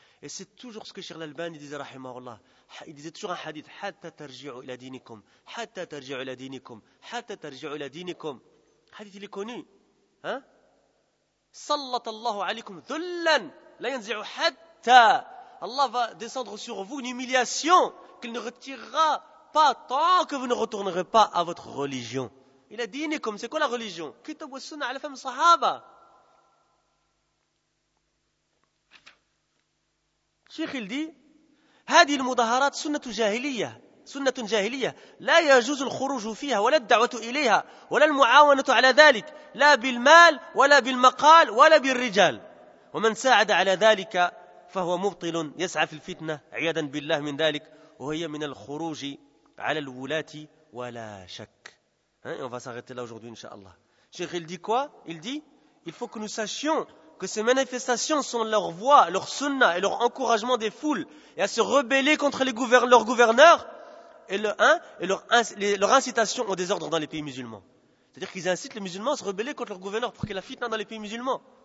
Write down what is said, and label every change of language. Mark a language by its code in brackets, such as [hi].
[fr] Et c'est toujours ce que Cheikh Al-Albani disait, rahimahullah. Il disait toujours un hadith, « [ar] Hatta tarji'u ila dinikum, [fr] hatta tarji'u ila dinikum, hatta tarji'u ila dinikum. » Hadith, il est connu. Hein? « [ar] Sallatallahu alaykum dhullan, la yanzi'u hatta. [fr] » Allah va descendre sur vous une humiliation qu'il ne retirera pas tant que vous ne retournerez pas à votre religion. « [ar] Ila dinikum [fr] », c'est quoi la religion ?« [ar] Kitab wa sunna ala fam sahaba. » الشيخ يقول هذه المظاهرات سنة جاهلية لا يجوز الخروج فيها ولا الدعوة إليها ولا المعاونة على ذلك لا بالمال ولا بالمقال ولا بالرجال ومن ساعد على ذلك فهو مبطل يسعى في الفتنة عيادا بالله من ذلك وهي من الخروج على الولاة ولا شك [fr] on va s'arrêter là aujourd'hui inshallah. الشيخ il dit quoi? Il dit il faut que nous sachions que ces manifestations sont leur voix, leur sunna et leur encouragement des foules et à se rebeller contre les leurs gouverneurs et leur incitation au désordre dans les pays musulmans. C'est-à-dire qu'ils incitent les musulmans à se rebeller contre leurs gouverneurs pour qu'il y ait la fitna dans les pays musulmans.